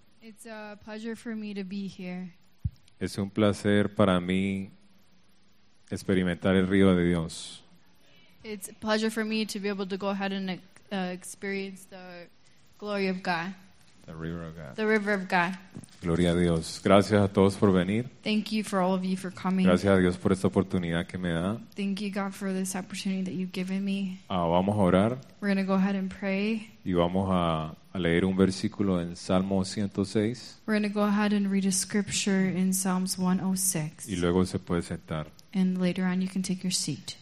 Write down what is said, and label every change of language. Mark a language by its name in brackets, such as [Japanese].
[English] It's a pleasure for me to be here. [Spanish] Es un placer para mí experimentar el río de Dios. [English] It's a pleasure for me to be able to go ahead and experience the glory of God. The river of God. The river of God. [Spanish] Gloria a Dios. Gracias a todos por venir. [English] Thank you for all of you for coming. [Spanish] Gracias a Dios por esta oportunidad que me da. [English] Thank you, God, for this opportunity that you've given me. [Spanish] Vamos a orar. [English] We're going to go ahead and pray. [Spanish] Y vamos a leer un versículo en Salmo 106. [English] We're going to go ahead and read a scripture in Psalms 106. [Spanish] Y luego se puede sentar. [English] And later on, you can take your seat.